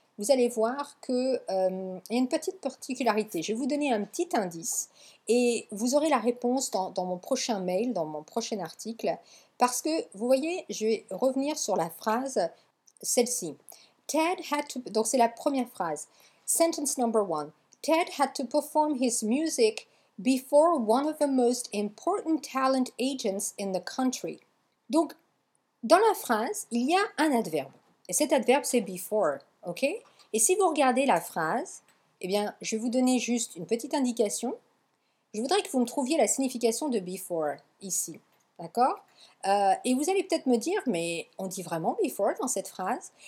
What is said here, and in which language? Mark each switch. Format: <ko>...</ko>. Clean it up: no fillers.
<fr>Vous allez voir qu'il y a une petite particularité. Je vais vous donner un petit indice et vous aurez la réponse dans mon prochain mail, dans mon prochain article. Parce que, vous voyez, je vais revenir sur la phrase celle-ci.</fr> <en>Ted had to...</en> <fr>Donc, c'est la première phrase.</fr> <en>Sentence number one. Ted had to perform his music before one of the most important talent agents in the country.</en> <fr>Donc, dans la phrase, il y a un adverbe. Et cet adverbe, c'est « before ». Ok? Et si vous regardez la phrase, eh bien, je vais vous donner juste une petite indication. Je voudrais que vous me trouviez la signification de before ici. D'accord? Et vous allez peut-être me dire, mais on dit vraiment before dans cette phrase?</fr>